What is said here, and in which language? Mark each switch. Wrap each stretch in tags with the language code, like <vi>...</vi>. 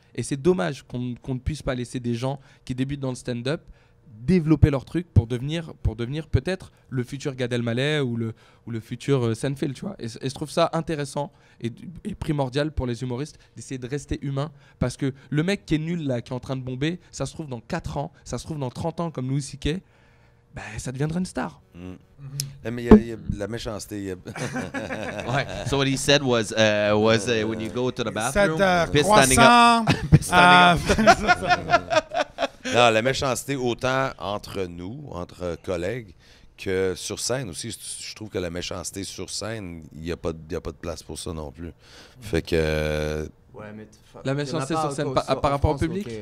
<fr>Et c'est dommage qu'on ne puisse pas laisser des gens qui débutent dans le stand-up développer leur truc pour devenir peut-être le futur Gad Elmaleh ou le futur Seinfeld, tu vois. Et je trouve ça intéressant et primordial pour les humoristes d'essayer de rester humain, parce que le mec qui est nul là, qui est en train de bomber, ça se trouve dans 4 ans, ça se trouve dans 30 ans comme Louis C.K., ben ça deviendra une star. Mm. Mm-hmm. Mais la méchanceté. Ouais.</fr> <en>So what he said was when you go to the bathroom, cette, piss standing up. Piss standing up.</en> <fr>Non, la méchanceté autant entre nous, entre collègues, que sur scène aussi. Je trouve que la méchanceté sur scène, il n'y a pas de place pour ça non plus. Fait que... Ouais, mais la méchanceté sur scène par rapport au public?</fr>